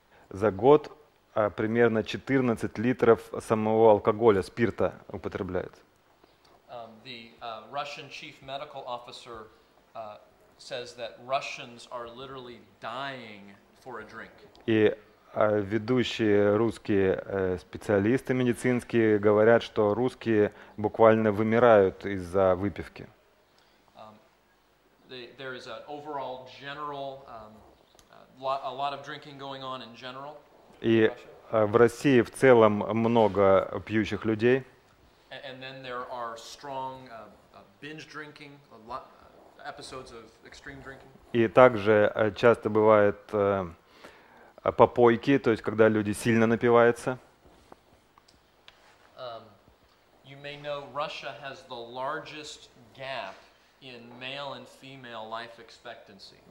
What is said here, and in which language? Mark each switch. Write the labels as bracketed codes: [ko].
[ru] За год примерно 14 литров самого алкоголя, спирта употребляют. [en] the Russian chief medical officer says that Russians are literally dying for a drink. [ru] И ведущие русские специалисты медицинские говорят, что русские буквально вымирают из-за выпивки. [en] There is an overall general a lot of drinking going on in general. [ru] И в России в целом много пьющих людей. [en] And then there are strong binge drinking, episodes of extreme drinking. [ru] И также часто бывает попойки, то есть когда люди сильно напиваются. [en] You may know Russia has the largest gap in male and female life expectancy.